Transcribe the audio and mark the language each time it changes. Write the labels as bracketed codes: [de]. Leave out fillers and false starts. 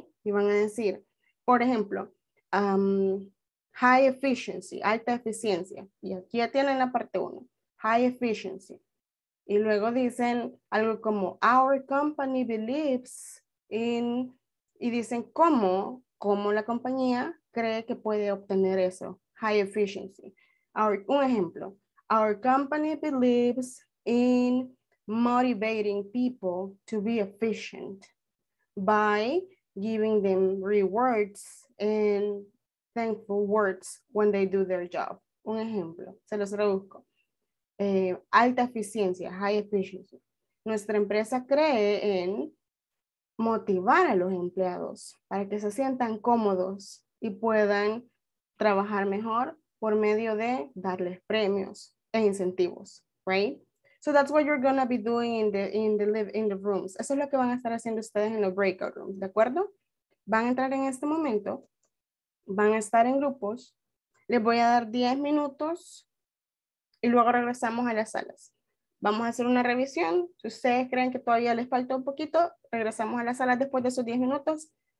[es] Y van a decir, por ejemplo, [en] high efficiency, [es] alta eficiencia. Y aquí ya tienen la parte uno, [en] high efficiency. [es] Y luego dicen algo como, [en] our company believes in... [es] Y dicen cómo la compañía cree que puede obtener eso, [en] high efficiency. [es] Un ejemplo, [en] our company believes in motivating people to be efficient by giving them rewards and thankful words when they do their job. [es] Un ejemplo, se los traduzco. Alta eficiencia, [en] high efficiency. [es] Nuestra empresa cree en motivar a los empleados para que se sientan cómodos y puedan trabajar mejor por medio de darles premios e incentivos, right? [en] So that's what you're going to be doing in the rooms. [es] Eso es lo que van a estar haciendo ustedes en los breakout rooms, ¿de acuerdo? Van a entrar en este momento, van a estar en grupos, les voy a dar 10 minutos y luego regresamos a las salas. Vamos a hacer una revisión. Si ustedes creen que todavía les falta un poquito, regresamos a la sala después de esos 10 minutos.